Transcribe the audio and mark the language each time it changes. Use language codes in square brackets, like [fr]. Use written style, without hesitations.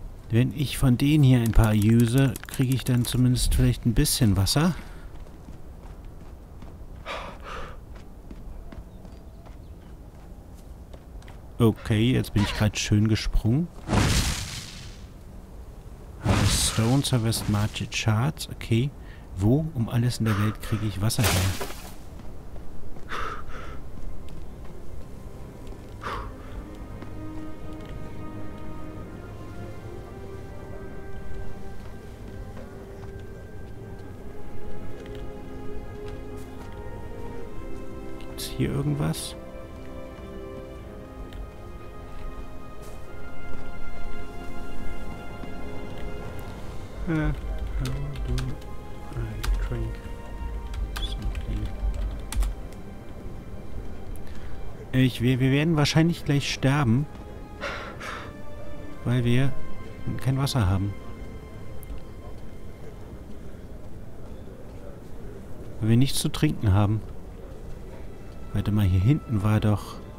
[de] Wenn ich von denen hier ein paar use, kriege ich dann zumindest vielleicht ein bisschen Wasser. Okay, jetzt bin ich gerade schön gesprungen. [en] Harvest Stones, Harvest Magic Shards. [de] Okay, wo um alles in der Welt kriege ich Wasser her? Hier irgendwas? [en] How do I drink something? [de] Wir werden wahrscheinlich gleich sterben, weil wir kein Wasser haben. Weil wir nichts zu trinken haben. Warte mal, hier hinten war doch...